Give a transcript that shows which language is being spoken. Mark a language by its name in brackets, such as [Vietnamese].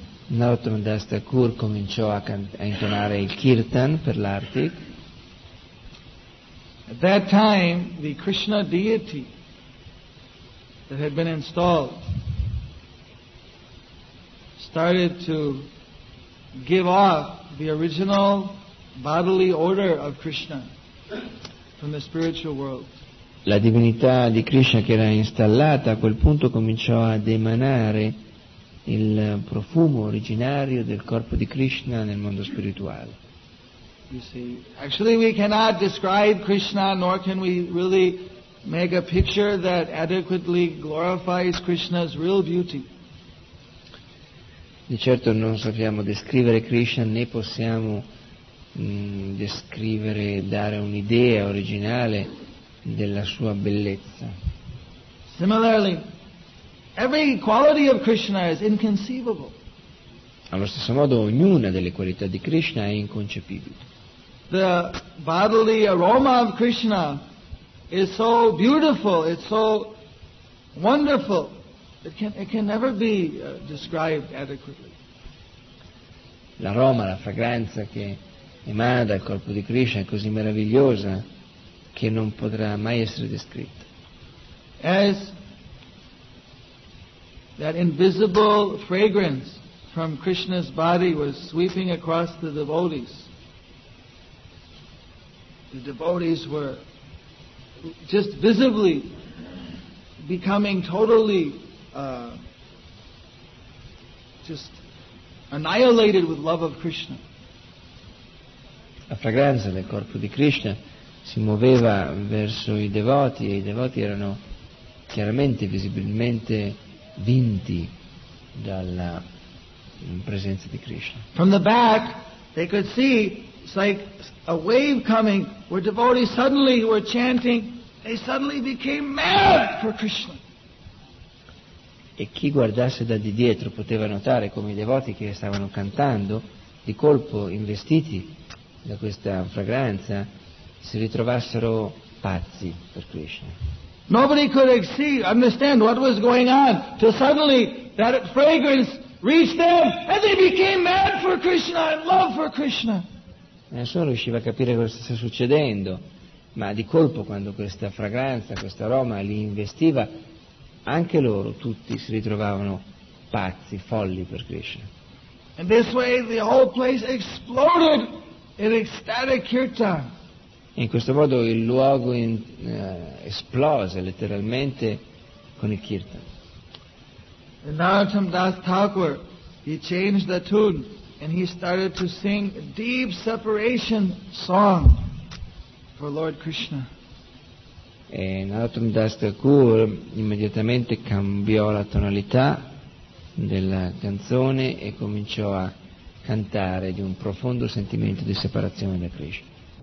[Italian] Narottam Das Thakur cominciò a intonare il kirtan per l'arti. [English] At that time, the Krishna deity that had been installed started to give off the original bodily order of Krishna from the spiritual world. [Italian] La divinità di Krishna che era installata a quel punto cominciò ad emanare il profumo originario del corpo di Krishna nel mondo spirituale. [English] You see, actually we cannot describe Krishna nor can we really make a picture that adequately glorifies Krishna's real beauty. [Italian] Di certo non sappiamo descrivere Krishna né possiamo descrivere, dare un'idea originale della sua bellezza. [English] Similarly, every quality of Krishna is inconceivable. [Italian] Allo stesso modo, ognuna delle qualità di Krishna è inconcepibile. [English] The bodily aroma of Krishna is so beautiful, it's so wonderful, it can never be described adequately. [Italian] L'aroma, la fragranza che emana dal corpo di Krishna è così meravigliosa che non potrà mai essere descritto. [English] As that invisible fragrance from Krishna's body was sweeping across the devotees were just visibly becoming totally just annihilated with love of Krishna. [Italian] La fragranza del corpo di Krishna si muoveva verso i devoti e i devoti erano chiaramente, visibilmente vinti dalla presenza di Krishna. [English] From the back they could see it's like a wave coming where devotees suddenly were chanting, they suddenly became mad for Krishna. [Italian] E chi guardasse da di dietro poteva notare come i devoti che stavano cantando di colpo investiti da questa fragranza si ritrovassero pazzi per Krishna. [English] Nobody could understand what was going on till suddenly that fragrance reached them and they became mad for Krishna and love for Krishna. [Italian] Nessuno riusciva a capire cosa stesse succedendo, ma di colpo quando questa fragranza, questo aroma li investiva, anche loro tutti si ritrovavano pazzi, folli per Krishna. [English] And this way the whole place exploded in ecstatic kirtan. [Italian] In questo modo il luogo esplose letteralmente con il kirtan. [English] And Narottam Das Thakur, he changed the tune and he started to sing a deep separation song for Lord Krishna. [Italian] E Narottam Das Thakur immediatamente cambiò la tonalità della canzone e cominciò a cantare di un profondo sentimento di separazione da Krishna.